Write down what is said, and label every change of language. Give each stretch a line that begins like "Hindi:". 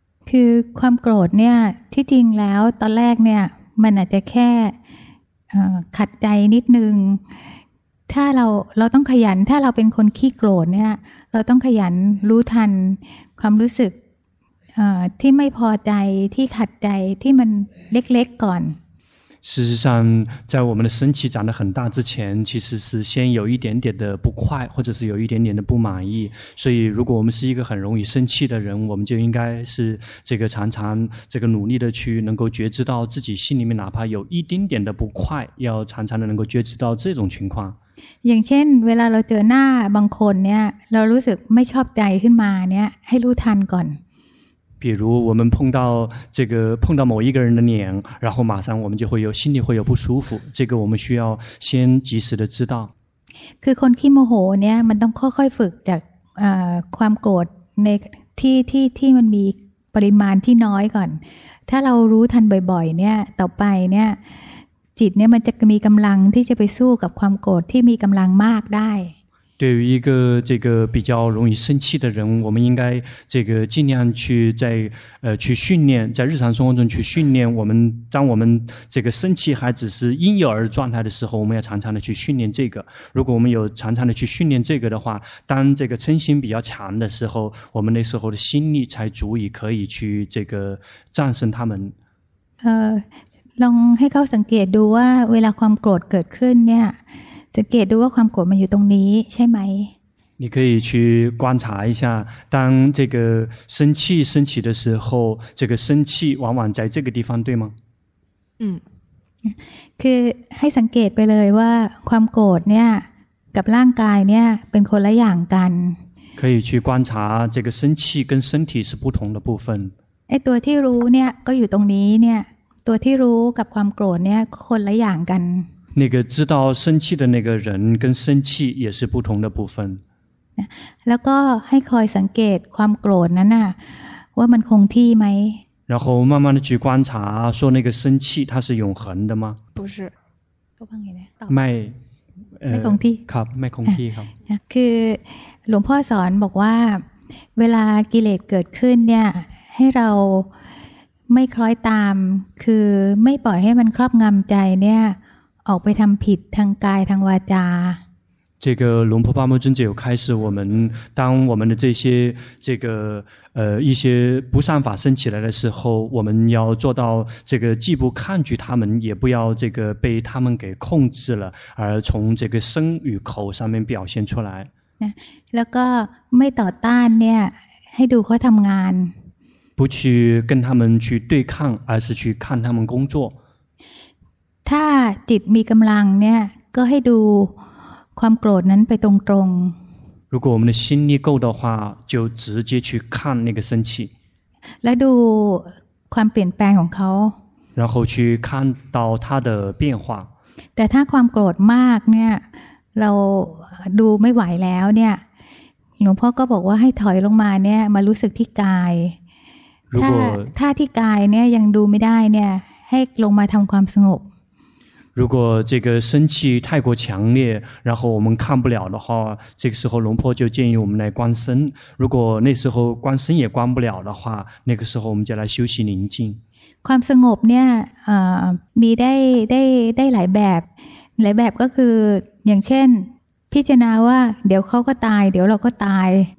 Thai: คือความโกรธเนี่ยที่จริงแล้วตอนแรกเนี่ยมันอาจจะแค่ขัดใจนิดนึงถ้าเราต้องขยันถ้าเราเป็นคนขี้โกรธเนี่ยเราต้องขยันรู้ทันความรู้สึกที่ไม่พอใจที่ขัดใจที่มันเล็กๆก่อน
Chinese: 事实上在我们的生气长得很大之前其实是先有一点点的不快或者是有一点点的不满意所以如果我们是一个很容易生气的人我们就应该是这个常常这个努力的去能够觉知到自己心里面哪怕有一丁点的不快要常常的能够觉知到这种情况
Thai: อย่างเช่นเวลาเราเจอหน้าบางคนเนี่ยเรารู้สึกไม่ชอบใจขึ้นมาเนี่ยให้รู้ทันก่อน
Chinese: 比如我们碰到某一个人的脸，然后马上我们就会有心里会有不舒服，这个我们需要先及时的知道。
Thai: คือคนขี้โมโหเนี่ยมันต้องค่อยๆฝึกจากความโกรธในที่มันมีปริมาณที่น้อยก่อนถ้าเรารู้ทันบ่อยๆเนี่ยต่อไปเนี่ยจิตเนี่ยมันจะมีกำลังที่จะไปสู้กับความโกรธที่มีกำลังมากได้
Chinese: 对于一个这个比较容易生气的人，我们应该这个尽量去在去训练，在日常生活中去训练我们。当我们这个生气还只是婴幼儿状态的时候，我们要常常的去训练这个。如果我们有常常的去训练这个的话，当这个嗔心比较强的时候，我们那时候的心力才足以可以去这个战胜他们。
Thai: ลองให้เขาสังเกตดูว่าเวลาความโกรธเกิดขึ้นเนี่ยสังเกตดูว่าความโกรธมันอยู่ตรงนี้ใช่ไหม
Chinese: 你可以去观察一下，当这个生气升起的时候，这个生气往往在这个地方，对吗？嗯，
Thai: คือให้สังเกตไปเลยว่าความโกรธเนี่ยกับร่างกายเนี่ยเป็นคนละอย่างกัน
Chinese: 可以去观察这个生气跟身体是不同的部分。
Thai: ไอตัวที่รู้เนี่ยก็อยู่ตรงนี้เนี่ยตัวที่รู้กับความโกรธเนี่ยคนละอย่างกัน
Chinese: 那个知道生气的那个人跟生气也是不同的部分。然后
Thai: ให้คอยสังเกตความโกรธนั้นน่ะว่ามันคงที่ไหม
Chinese: 然后慢慢的去观察说那个生气它是永恒的吗不是
Thai: ไม่ คงที่ครับไม่คงที่ครับ คือหลวงพ่อสอนบอกว่าเวลากิเลสเกิดขึ้นเนี่ยให้เราไม่คล้อยตามคือไม่ปล่อยให้มันครอบงำใจเนี่ยออกไปทำผิดทางกายทางวาจา
Chinese: 这个龙婆巴摩尊者有开示我们当我们的这些这个一些不善法生起来的时候我们要做到这个既不抗拒他们也不要这个被他们给控制了而从这个身与口上面表现出来
Thai: แล้วก็ไม่ต่อต้านเนี่ยให้ดูเขาทำงาน
Chinese: 不去跟他们去对抗而是去看他们工作
Thai: ถ้าจิตมีกำลังเนี่ยก็ให้ดูความโกรธนั้นไปตรง
Chinese: ๆ如果我们的心力够的话就直接去看那个生气
Thai: และดูความเปลี่ยนแปลงของเขา
Chinese: 然后去看到他的变化
Thai: แต่ถ้าความโกรธมากเนี่ยเราดูไม่ไหวแล้วเนี่ยหลวงพ่อก็บอกว่าให้ถอยลงมาเนี่ยมารู้สึกที่กายถ้าที่กายเนี่ยยังดูไม่ได้เนี่ยให้ลงมาทำความสงบ
Chinese: 如果这个生气太过强烈然后我们看不了的话这个时候龙婆就建议我们来观身如果那时候观身也观不了的话那个时候我们就来休息宁静
Thai: ความสงบเนี่ยมีได้หลายแบบหลายแบบก็คืออย่างเช่นพิจารณาว่าเดี๋ยวเขาก็ตายเดี๋ยวเราก็ตาย